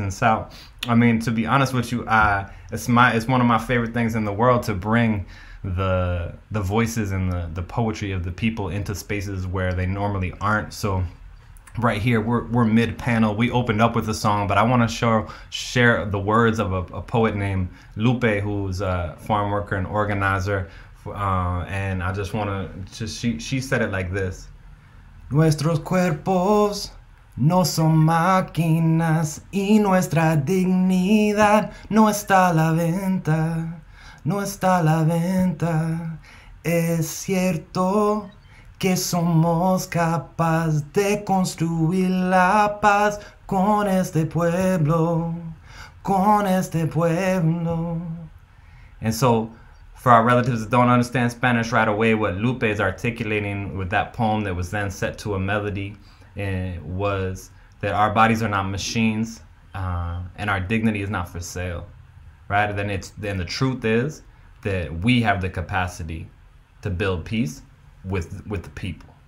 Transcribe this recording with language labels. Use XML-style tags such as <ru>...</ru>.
<en>And so, I mean, to be honest with you, it's one of my favorite things in the world to bring the voices and the poetry of the people into spaces where they normally aren't. So right here, we're mid-panel. We opened up with a song, but I want to share the words of a poet named Lupe, who's a farm worker and organizer. And I just want to, she said it like this.</en> <es>Nuestros cuerpos no son máquinas y nuestra dignidad no está a la venta. No está a la venta. Es cierto que somos capaces de construir la paz con este pueblo, con este pueblo.</es> <en>And so, for our relatives that don't understand Spanish right away, what Lupe is articulating with that poem that was then set to a melody was that our bodies are not machines and our dignity is not for sale. Right? Then the truth is that we have the capacity to build peace with the people.</en>